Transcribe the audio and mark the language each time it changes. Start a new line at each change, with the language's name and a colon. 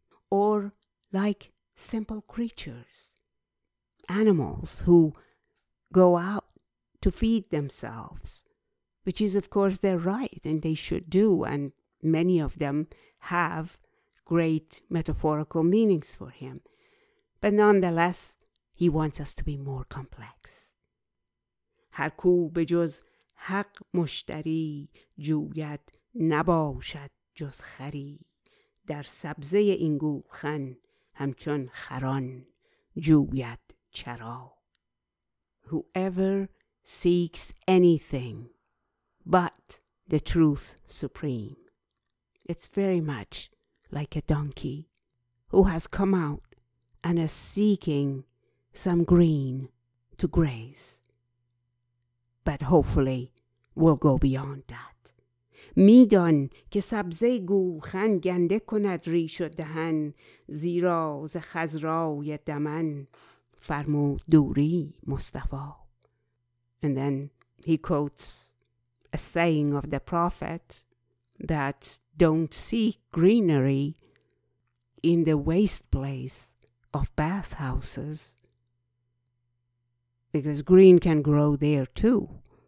English: Or like simple creatures, animals who go out to feed themselves, which is, of course, their right and they should do. And many of them have great metaphorical meanings for him. But nonetheless, he wants us to be more complex.
Persian: هر کو به جز حق مشتری جوید نباشد جز خری، در سبزه این گولخن همچون خران جوید چرا.
English: Whoever seeks anything but the truth supreme. It's very much like a donkey who has come out and is seeking some green to graze. But hopefully we'll go beyond that.
Persian: میدان که سبزه گولخن گنده کند ریش و دهن زیرا ز خزرای دمن فرمود دوری مصطفی.
English: And then he quotes a saying of the prophet that don't seek greenery in the waste place of bathhouses, because green can grow there too.